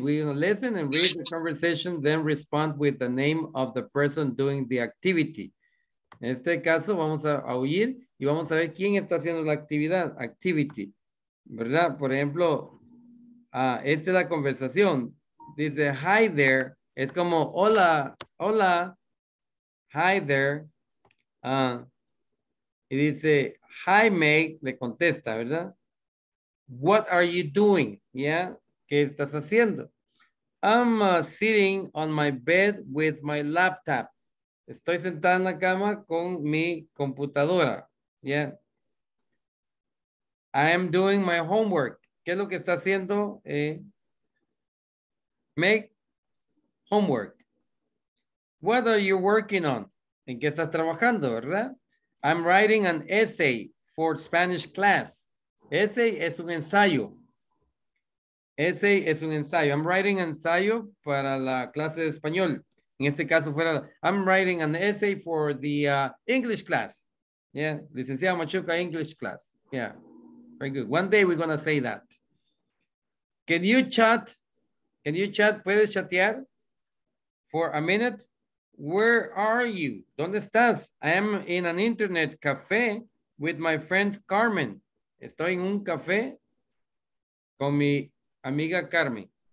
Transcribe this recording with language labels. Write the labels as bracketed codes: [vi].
[en] We're going to listen and read the conversation, then respond with the name of the person doing the activity. [es] En este caso, vamos a oír y vamos a ver quién está haciendo la actividad, activity. ¿Verdad? Por ejemplo, esta es la conversación. Dice, hi there. Es como, hola, hola. Hi there. Y dice, hi, Meg. Le contesta, ¿verdad? What are you doing? Yeah, ¿qué estás haciendo? [en] I'm sitting on my bed with my laptop. [es] Estoy sentada en la cama con mi computadora. [en] Yeah. I am doing my homework. ¿Qué es lo que está haciendo? Make homework. What are you working on? ¿En qué estás trabajando, verdad? I'm writing an essay for Spanish class. [es] Essay es un ensayo. Essay es un ensayo. [en] I'm writing an essay para la clase de español. En este caso fuera, I'm writing an essay for the English class. Yeah, licenciado Machuca, English class. Yeah, very good. One day we're going to say that. Can you chat? Can you chat? ¿Puedes chatear for a minute? Where are you? ¿Dónde estás? I am in an internet cafe with my friend Carmen. [es] Estoy en un café con mi amiga Carmen.